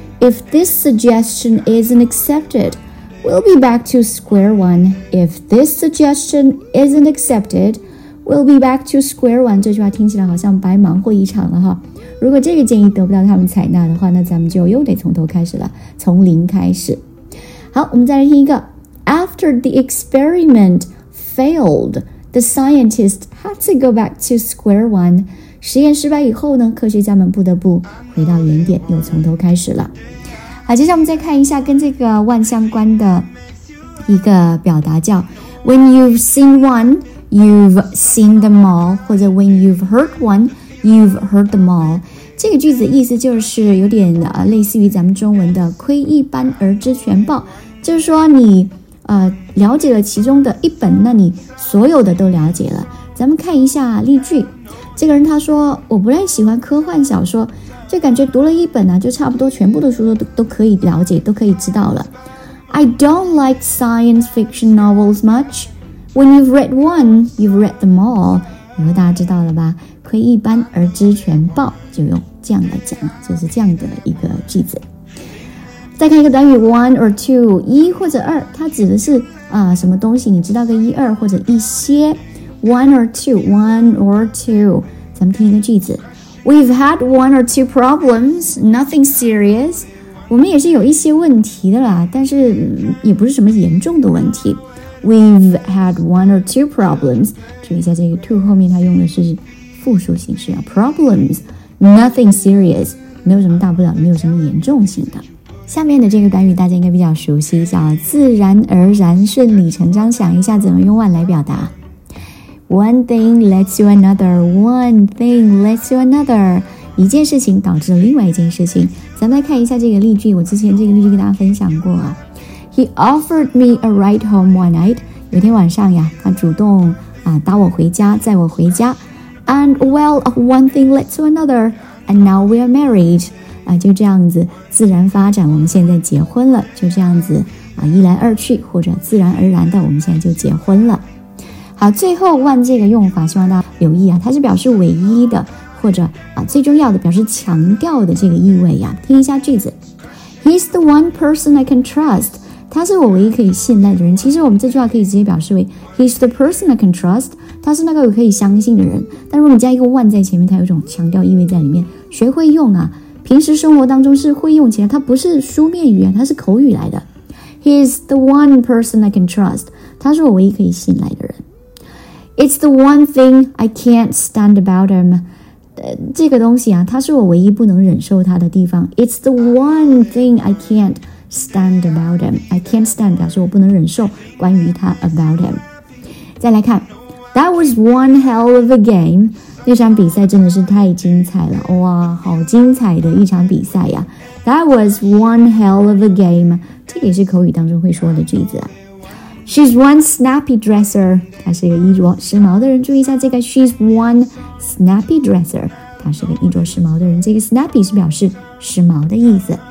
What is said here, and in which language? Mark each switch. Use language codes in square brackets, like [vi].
[en] If this suggestion isn't accepted, we'll be back to square one. If this suggestion isn't accepted, we'll be back to square one. [zh] 这句话听起来好像白忙活一场了哈。如果这个建议得不到他们采纳的话，那咱们就又得从头开始了，从零开始。好，我们再来听一个。 [en] After the experiment failed, the scientist had to go back to square one. [zh] 实验失败以后呢，科学家们不得不回到原点，又从头开始了。好，接下来我们再看一下跟这个 one 相关的一个表达，叫 [en] When you've seen one, you've seen them all， [zh] 或者 When you've heard one, you've heard them all。这个句子的意思就是有点类似于咱们中文的窥一斑而知全豹，就是说你了解了其中的一本，那你所有的都了解了。咱们看一下例句。这个人他说，我不太喜欢科幻小说，就感觉读了一本啊，就差不多全部的书都可以了解，都可以知道了。 [en] I don't like science fiction novels much. When you've read one, you've read them all. [zh] 以后大家知道了吧？窥一斑而知全豹，就用这样来讲，就是这样的一个句子。再看一个短语 [en] one or two， [zh] 一或者二，它指的是什么东西？你知道个一二或者一些。 [en] One or two. [zh] 咱们听一个句子。 [en] We've had one or two problems, nothing serious. [zh] 我们也是有一些问题的啦，但是也不是什么严重的问题。 [en] We've had one or two problems. [zh] 注意一下这个 two 后面它用的是复数形式啊。 [en] Problems, nothing serious. [zh] 没有什么大不了，没有什么严重性的。下面的这个短语大家应该比较熟悉，叫自然而然、顺理成章。想一下怎么用 one 来表达。 [en] One thing leads to another. One thing leads to another. [zh] 一件事情导致了另外一件事情。咱们来看一下这个例句。我之前这个例句跟大家分享过啊。 [en] He offered me a ride home one night. [zh] 有天晚上呀，他主动搭我回家，载我回家。 [en] And well, one thing leads to another, and now we are married. [zh] 就这样子自然发展，我们现在结婚了。就这样子一来二去，或者自然而然的，我们现在就结婚了。好，最后 one 这个用法希望大家留意啊，它是表示唯一的或者最重要的，表示强调的这个意味啊。听一下句子。 [en] He's the one person I can trust. [zh] 他是我唯一可以信赖的人。其实我们这句话可以直接表示为 [en] He's the person I can trust. [zh] 他是那个我可以相信的人。但如果你加一个 one 在前面，它有一种强调意味在里面。学会用啊，平时生活当中是会用起来，它不是书面语言，它是口语来的。 [en] He's the one person I can trust. [zh] 他是我唯一可以信赖的人。 [en] It's the one thing I can't stand about him. [zh] 这个东西啊，它是我唯一不能忍受它的地方。 [en] It's the one thing I can't stand about him. I can't stand [zh] 表示我不能忍受关于他 [en] about him. [zh] 再来看 [en] That was one hell of a game. [zh] 那场比赛真的是太精彩了。哇，好精彩的一场比赛呀。 [en] That was one hell of a game. [zh] 这也是口语当中会说的句子啊。 [en] She's one snappy dresser. [zh] 她是一个衣着时髦的人。注意一下这个 [en] She's one snappy dresser. [zh] 她是个衣着时髦的人。这个 snappy 是表示时髦的意思。